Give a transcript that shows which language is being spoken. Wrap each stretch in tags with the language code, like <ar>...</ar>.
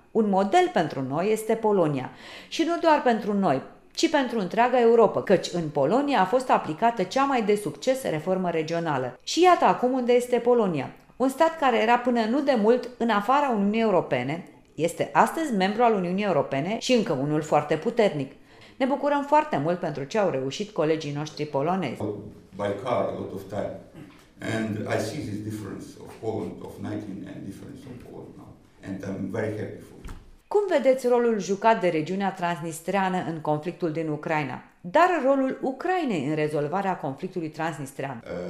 <ro>Un model pentru noi este Polonia. Și nu doar pentru noi, ci pentru întreaga Europa, căci în Polonia a fost aplicată cea mai de succes reformă regională. Și iată acum unde este Polonia. Un stat care era până nu demult în afara Uniunii Europene, este astăzi membru al Uniunii Europene și încă unul foarte puternic. Ne bucurăm foarte mult pentru ce au reușit colegii noștri polonezi.</ro> <en>By car a lot of time. And I see this difference of Poland of 19 and difference of Poland now. And I'm very happy for it.</en> <ro>Cum vedeți rolul jucat de regiunea transnistreană în conflictul din Ucraina? Dar rolul Ucrainei în rezolvarea conflictului transnistrean?</ro>